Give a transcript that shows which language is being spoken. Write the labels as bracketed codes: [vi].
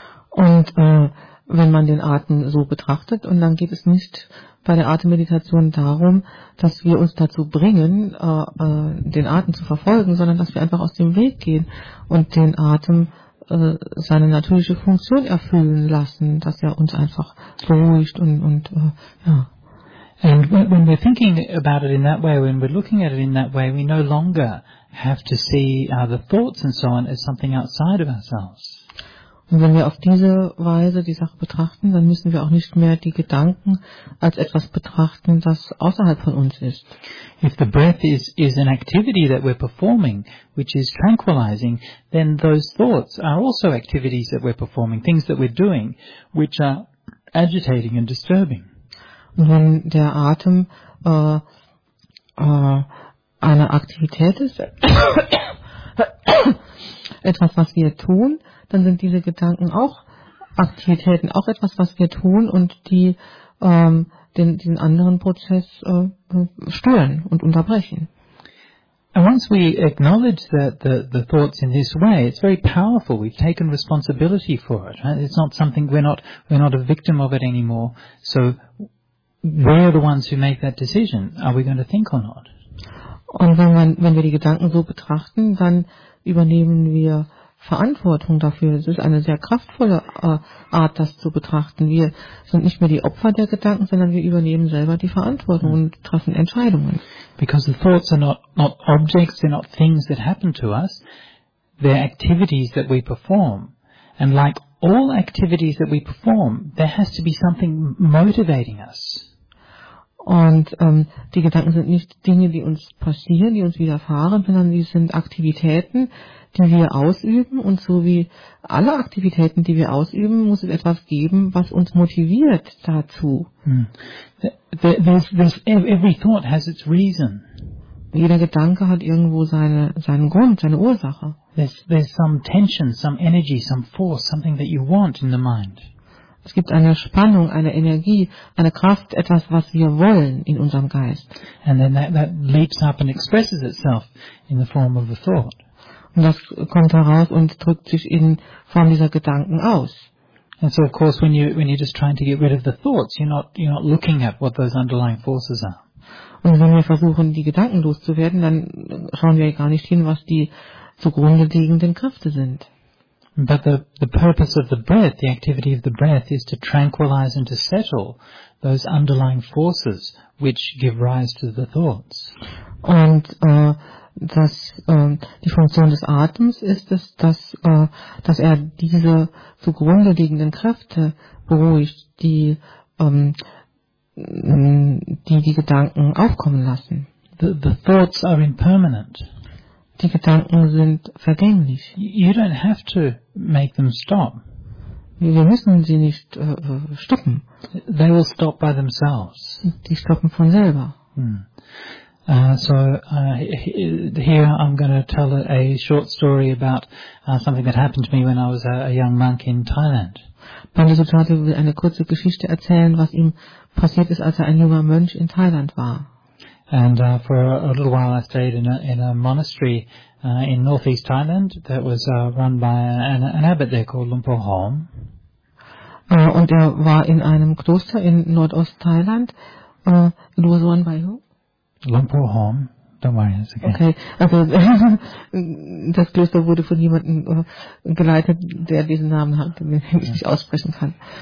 [de] Und wenn man den Atem so betrachtet, und dann geht es nicht bei der Atemmeditation darum, dass wir uns dazu bringen, den Atem zu verfolgen, sondern dass wir einfach aus dem Weg gehen und den Atem seine natürliche Funktion erfüllen lassen, dass er uns einfach beruhigt und. [en] And when we're thinking about it in that way, when we're looking at it in that way, we no longer have to see the thoughts and so on as something outside of ourselves. [de] Und wenn wir auf diese Weise die Sache betrachten, dann müssen wir auch nicht mehr die Gedanken als etwas betrachten, das außerhalb von uns ist. [en] If the breath is an activity that we're performing, which is tranquilizing, then those thoughts are also activities that we're performing, things that we're doing, which are agitating and disturbing. [de] Und wenn der Atem eine Aktivität ist, etwas, was wir tun, dann sind diese Gedanken auch Aktivitäten, auch etwas, was wir tun und die den anderen Prozess stören und unterbrechen. [en] And once we acknowledge that the thoughts in this way, it's very powerful. We've taken responsibility for it. Right? It's not something we're not a victim of it anymore. So we're the ones who make that decision. Are we going to think or not? [de] Und wenn wir die Gedanken so betrachten, dann übernehmen wir Verantwortung dafür. Es ist eine sehr kraftvolle Art, das zu betrachten. Wir sind nicht mehr die Opfer der Gedanken, sondern wir übernehmen selber die Verantwortung und treffen Entscheidungen. [en] Because the thoughts are not objects, they're not things that happen to us. They're activities that we perform. And like all activities that we perform, there has to be something motivating us. [de] Und die Gedanken sind nicht Dinge, die uns passieren, die uns widerfahren, sondern sie sind Aktivitäten, die wir ausüben. Und so wie alle Aktivitäten, die wir ausüben, muss es etwas geben, was uns motiviert dazu. [en] Every thought has its reason. [de] Jeder Gedanke hat irgendwo seinen Grund, seine Ursache. [en] there's some tension, some energy, some force, something that you want in the mind. [de] Es gibt eine Spannung, eine Energie, eine Kraft, etwas, was wir wollen in unserem Geist. [en] And then that leaps up and expresses itself in the form of a thought. [de] Und das kommt heraus und drückt sich in Form dieser Gedanken aus. [en] And so of course when you're just trying to get rid of the thoughts, you're not looking at what those underlying forces are. [de] Und wenn wir versuchen, die Gedanken loszuwerden, dann schauen wir gar nicht hin, was die zugrunde liegenden Kräfte sind. [en] But the purpose of the breath, the activity of the breath, is to tranquilize and to settle those underlying forces which give rise to the thoughts. [de] Und die Funktion des Atems ist es, dass er diese zugrunde liegenden Kräfte beruhigt, die Gedanken aufkommen lassen. [en] The thoughts are impermanent. [de] Die Gedanken sind vergänglich. [en] You don't have to make them stop. [de] Wir müssen sie nicht stoppen. [en] They will stop by themselves. [de] Die stoppen von selber. [en] Here I'm going to tell a short story about something that happened to me when I was a young monk in Thailand. [de] Pandasutati will eine kurze Geschichte erzählen, was ihm passiert ist, als er ein junger Mönch in Thailand war. [en] And for a little while I stayed in a monastery in northeast Thailand that was run by an abbot there called Lumpo Hom. [de] Und er war in einem Kloster in Nordost-Thailand. Du warst [en] run by who? Lumpo Hom. Don't worry, it's okay. [de] Okay, also das Kloster wurde von jemandem geleitet, der diesen Namen hat, den ich nicht aussprechen kann.